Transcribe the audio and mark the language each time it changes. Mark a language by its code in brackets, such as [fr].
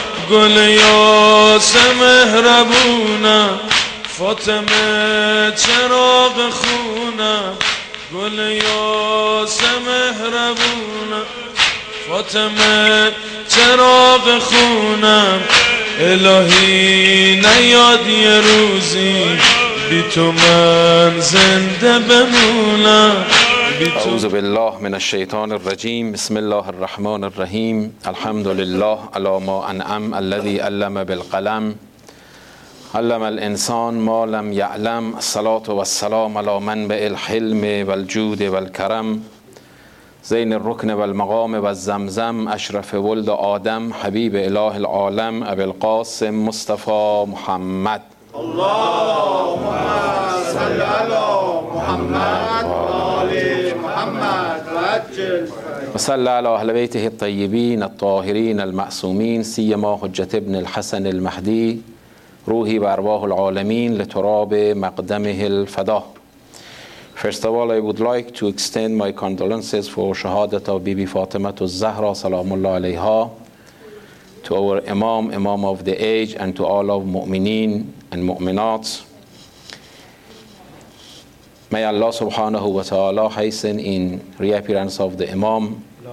[fa] گل یا سمهربونم فاطمه چراغ خونم گل یا سمهربونم فاطمه چراغ خونم الهی نیاد یه روزی بی تو من زنده بمونم. [ar] اعوذ بالله من الشیطان الرجیم. بسم الله الرحمن الرحیم. الحمد لله علی ما انعم الذی علم بالقلم علم الانسان ما لم یعلم. الصلاة والسلام علی من بالحلم والجود والکرم زین الرکن والمقام والزمزم اشرف ولد آدم حبیب اله العالم ابی القاسم مصطفی محمد. اللهم صل علی محمد وصلى على اهل بيته الطيبين الطاهرين المعصومين سيما حجه ابن الحسن المهدي روحي وارواح العالمين لتراب مقدمه الفدا. [en] First of all, I would like to extend my condolences for [fa] شهادت بیبی فاطمه الزهرا سلام الله علیها [en] to our imam, imam of the age, and to all of مؤمنین and مؤمنات. May Allah subhanahu wa ta'ala hasten in reappearance of the Imam.